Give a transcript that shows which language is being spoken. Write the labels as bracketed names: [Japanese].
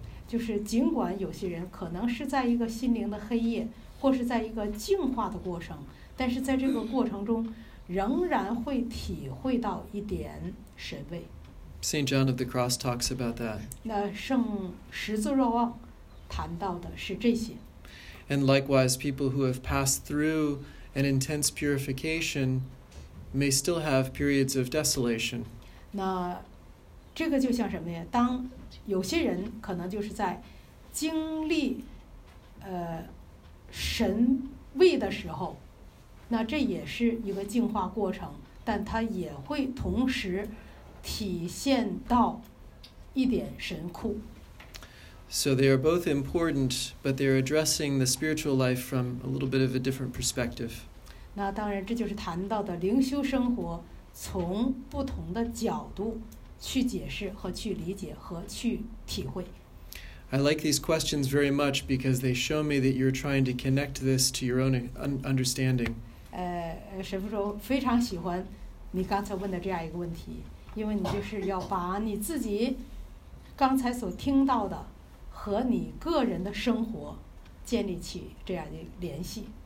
[Chinese] 就是尽管有些人可能是在一个心灵的黑夜，或是在一个净化的过程，但是在这个过程中仍然会体会到一点神味。 [English] St. John of the Cross talks about that. [Chinese] 那圣十字若望谈到的是这些。 [English] And likewise, people who have passed through an intense purification may still have periods of desolation. [Chinese] 那这个就像什么呀？当有些人可能就是在经历神味的时候，那这也是一个净化过程，但它也会同时体现到一点神枯。 [English] So they are both important, but they're addressing the spiritual life from a little bit of a different perspective. [Chinese] 那当然，这就是谈到的灵修生活从不同的角度去解释和去理解和去体会。 [English] I like these questions very much because they show me that you're trying to connect this to your own understanding. [Chinese] 神父说非常喜欢你刚才问的这样一个问题，因为你就是要把你自己刚才所听到的和你个人的生活建立起这样的联系。